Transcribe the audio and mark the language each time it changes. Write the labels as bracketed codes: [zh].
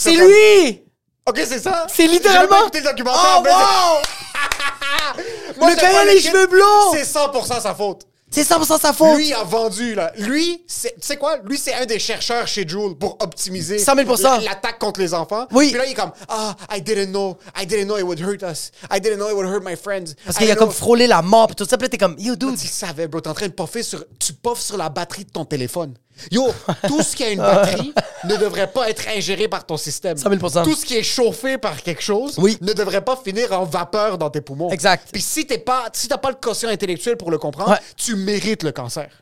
[fr] c'est lui! OK, c'est ça? C'est littéralement... J'ai pas écouté le documentaire. Oh, wow! Moi, le gars a les cheveux blonds! C'est 100% sa faute. C'est 100% sa faute. Lui a vendu, là. Lui, tu sais quoi? Lui, c'est un des chercheurs chez Juul pour optimiser 100 000% l'attaque contre les enfants. Oui. Puis là, il est comme, [en] ah, oh, I didn't know it would hurt us. I didn't know it would hurt my friends. [fr] Parce qu'il a comme frôlé la mort pis tout ça. Puis là, t'es comme, yo, dude. Tu savais, bro, t'es en train de puffer sur... Tu puffes sur la batterie de ton téléphone. Yo, tout ce qui a une batterie ne devrait pas être ingéré par ton système. 100 000%. Tout ce qui est chauffé par quelque chose, oui, ne devrait pas finir en vapeur dans tes poumons. Exact. Puis si t'es pas, si t'as pas le quotient intellectuel pour le comprendre, ouais, tu mérites le cancer.